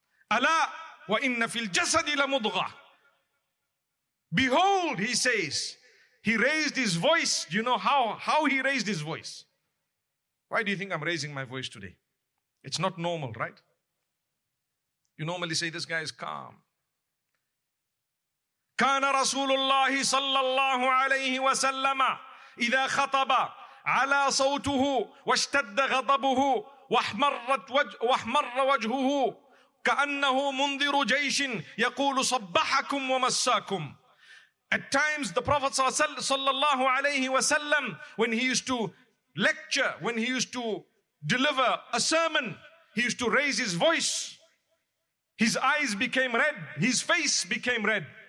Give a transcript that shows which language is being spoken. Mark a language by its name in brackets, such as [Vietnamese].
[Arabic] Ala wa inna fil jasadi la mudghah. [English] Behold, he says, he raised his voice. Do you know how he raised his voice? Why do you think I'm raising my voice today? It's not normal, right? You normally say, this guy is calm. [Arabic] كان رسول الله صلى الله عليه وسلم إذا خطب على صوته واشتد غضبه واحمر وجهه كأنه منذر جيش يقول صبحكم ومساكم. [English] At times, the Prophet sallallahu alayhi wa sallam, when he used to lecture, when he used to deliver a sermon, he used to raise his voice. His eyes became red. His face became red.